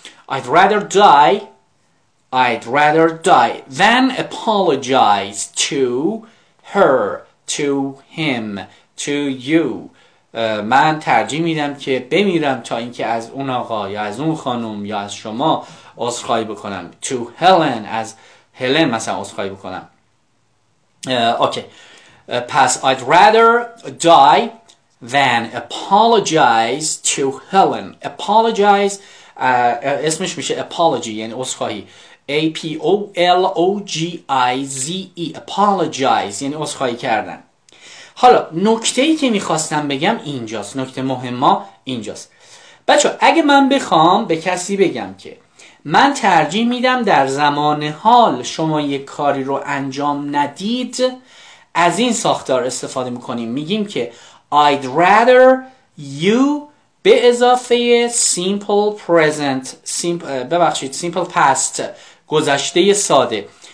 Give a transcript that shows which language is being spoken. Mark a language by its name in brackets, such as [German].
[English] I'd rather die، I'd rather die than apologize to her، to him، to you. [Persian] من ترجیح میدم که بمیرم تا اینکه از اون آقا یا از اون خانم یا از شما عذرخواهی بکنم. [English] To Helen، [Persian] از هلن مثلا عذرخواهی بکنم. [English] پس I'd rather die than apologize to Helen. [Persian] Apologize اسمش میشه apology یعنی عذرخواهی. A-P-O-L-O-G-I-Z-E apologize یعنی عذرخواهی کردن. حالا نکته ای که میخواستم بگم اینجاست، نکته مهم ما اینجاست. بچه اگه من بخوام به کسی بگم که من ترجیح میدم در زمان حال شما یک کاری رو انجام ندید، از این ساختار استفاده میکنیم، میگیم که [English] I'd rather you [Persian] به اضافه [English] simple present، simple past، [Persian] گذشته ساده.